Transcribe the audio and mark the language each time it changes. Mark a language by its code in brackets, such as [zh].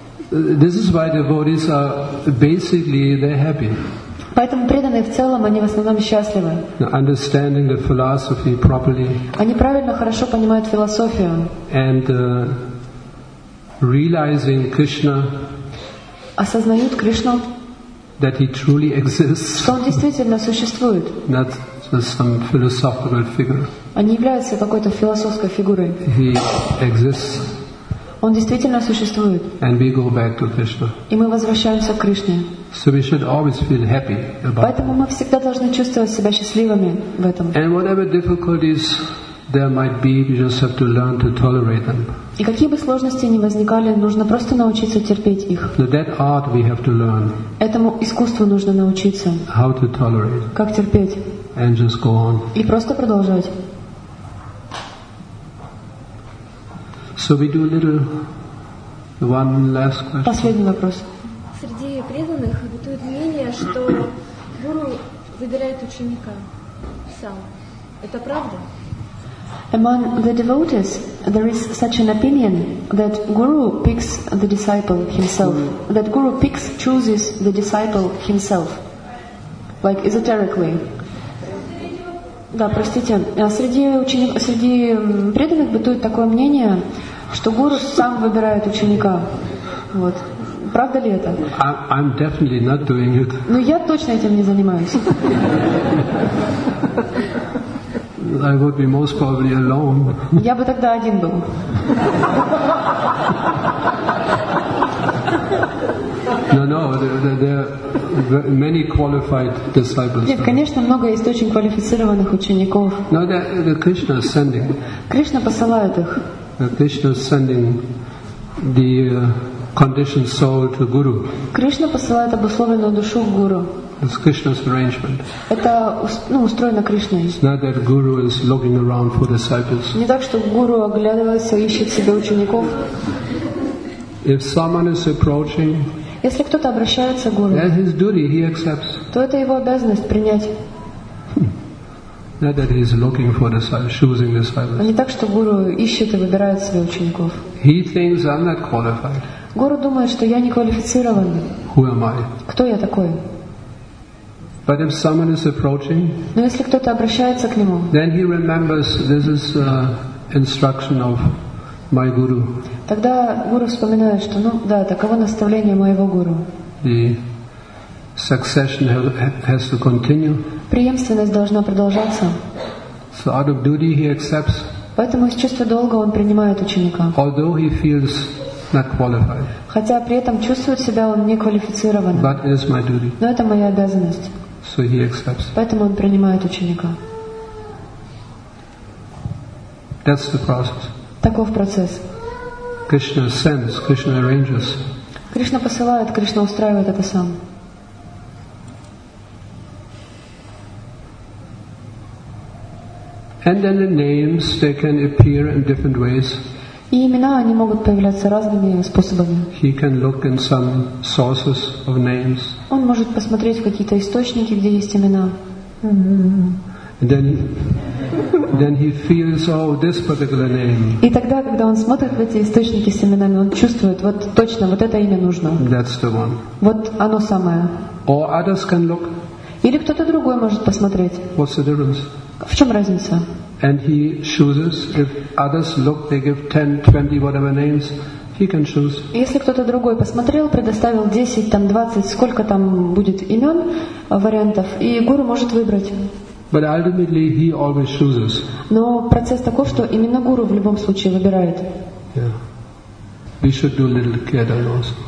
[en] This is why devotees are basically they're happy. [ru] Поэтому преданные в целом, они в основном счастливы. [en] Understanding the philosophy properly. [ru] Они правильно, хорошо понимают философию. [en] And realizing Krishna. [ru] Осознают Кришну. [en] That he truly exists. [ru] Что он действительно существует. [en] Not just some philosophical figure. [ru] Он не является какой-то философской фигурой. [en] He exists. [ru] Он действительно существует. [en] And we go back to Krishna. [ru] И мы возвращаемся к Кришне. [en] So we should always feel happy about. [ru] Поэтому мы всегда должны чувствовать себя счастливыми в этом. [en] And whatever difficulties there might be, we just have to learn to tolerate them. [ru] И какие бы сложности ни возникали, нужно просто научиться терпеть их. [en] That art we have to learn. [ru] Этому искусству нужно научиться. [en] How to tolerate. [ru] Как терпеть. [en] And just go on. [ru] И просто продолжать. [en] So we do a little one last question. [ru] Последний вопрос. Среди преданных бытует мнение, что гуру выбирает ученика сам. Это правда? [en] Among the devotees, there is such an opinion that guru picks the disciple himself. That guru picks, chooses the disciple himself. Like esoterically. [ru] Да, простите. Среди преданных бытует такое мнение, что гуру сам выбирает ученика. Вот. Правда ли это? [en] I'm definitely not doing it. [ru] Но я точно этим не занимаюсь. [en] I would be most probably alone. [ru] Я бы тогда один был. [en] No, there are many qualified disciples. [ru] Нет, конечно, много есть очень квалифицированных учеников. [en] No, the Krishna is sending. [ru] Кришна посылает их. [en] Krishna is sending the conditioned soul to Guru. [ru] Кришна посылает обусловленную душу к Гуру. [en] It's Krishna's arrangement. [ru] Это устроено Кришной. [en] It's not that Guru is looking around for disciples. [ru] Не так, что Гуру оглядывается и ищет себе учеников. [en] If someone is approaching, [ru] если кто-то обращается к Гуру, [en] that his duty, he accepts. [ru] То это его обязанность принять. [en] Not that he is looking for disciples, choosing disciples. [ru] Не так, что гуру ищет и выбирает себе учеников. [en] He thinks I'm not qualified. [ru] Гуру думает, что я не квалифицирован. [en] Who am I? [ru] Кто я такой? [en] But if someone is approaching, [ru] но если кто-то обращается к нему, [en] then he remembers this is instruction of my guru. [ru] Тогда гуру вспоминает, что, ну да, таково наставление моего гуру. [en] The succession has to continue. [ru] Преемственность должна продолжаться. [en] So out of duty he accepts. [ru] Поэтому из чувства долга он принимает ученика. [en] Although he feels not qualified. [ru] Хотя при этом чувствует себя он неквалифицированным. [en] But it is my duty. [ru] Но это моя обязанность. [en] So he accepts. [ru] Поэтому он принимает ученика. [en] That's the process. [ru] Таков процесс. [en] Krishna sends, Krishna arranges. [ru] Кришна посылает, Кришна устраивает это сам. [en] And then the names they can appear in different ways. [ru] И имена они могут появляться разными способами. [en] He can look in some sources of names. [ru] Он может посмотреть в какие-то источники, где есть имена. [en] Then he feels, oh, this particular name. [ru] И тогда, когда он смотрит в эти источники с именами, он чувствует, вот точно, вот это имя нужно. [en] That's the one. [ru] Вот оно самое. [en] Or others can look. [ru] Или кто-то другой может посмотреть. [en] What's the difference? [ru] В чем разница? [en] And he chooses. If others look, they give 10, 20, whatever names, he can choose. [ru] Если кто-то другой посмотрел, предоставил 10, там 20, сколько там будет имен, вариантов, и гуру может выбрать. [en] But ultimately he always chooses. [ru] Но процесс таков, что именно гуру в любом случае выбирает. [en] Yeah. We should do a little kirtan also.